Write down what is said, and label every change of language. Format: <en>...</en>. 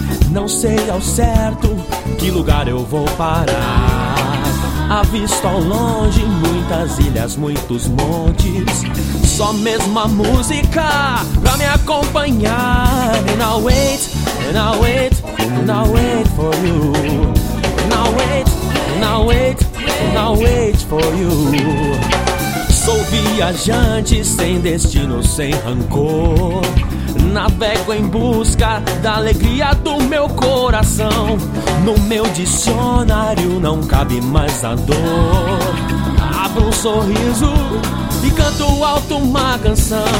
<pt>Não sei ao certo que lugar eu vou parar. Avisto ao longe muitas ilhas, muitos montes. Só mesmo a música pra me acompanhar.</pt> <en>And I wait, and I wait, and I wait for you. And I wait, and I wait, and I wait for you.</en> <pt>Sou viajante sem destino, sem rancor. Navego em busca da alegria do meu coração. No meu dicionário não cabe mais a dor. Abro um sorriso e canto alto uma canção.</pt>